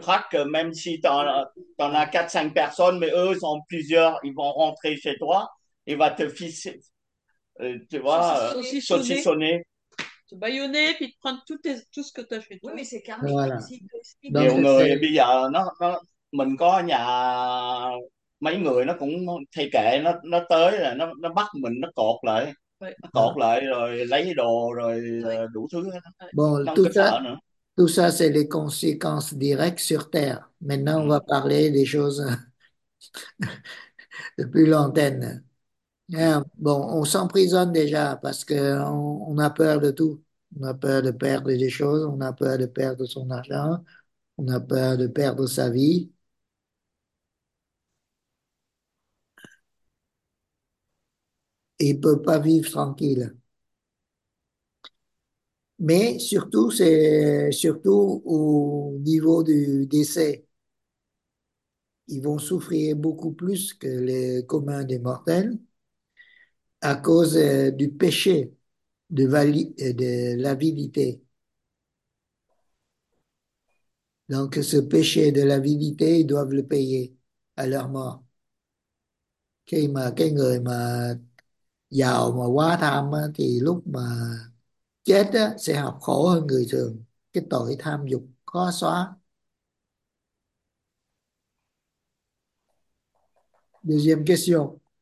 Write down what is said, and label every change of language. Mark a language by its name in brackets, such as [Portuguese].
[French] braquent même si t'en as 4-5 personnes, mais eux sont plusieurs, ils vont rentrer chez toi, il va te fisser, tu vois, saucissonner. Baïonner, puis te prendre tout ce que tu as fait, toi. Oui, mais c'est karmique Voilà. aussi. [Vietnamese] Nhiều [French] Donc, [Vietnamese] người bây giờ mình có nhà mấy người nó cũng thay kệ, nó tới là nó bắt mình, nó cột lại rồi lấy đồ rồi đủ thứ hết. [French] Bon, [Vietnamese] Không có sợ nữa. [French] tout ça, c'est les conséquences directes sur Terre. Maintenant, on va parler des choses de plus lointaines. Yeah. Bon, on s'emprisonne déjà parce qu'on a peur de tout. On a peur de perdre des choses, on a peur de perdre son argent, on a peur de perdre sa vie. Il ne peut pas vivre tranquille. Mais surtout, c'est surtout au niveau du décès. Ils vont souffrir beaucoup plus que les communs des mortels. À cause du péché de l'avidité. Donc, ce péché de l'avidité, ils doivent le payer à leur mort. [Vietnamese] Khi mà cái người mà giàu mà quá tham thì lúc mà chết á, sẽ học khổ hơn người thường. Cái tội tham dục khó xóa. [French] Deuxième question.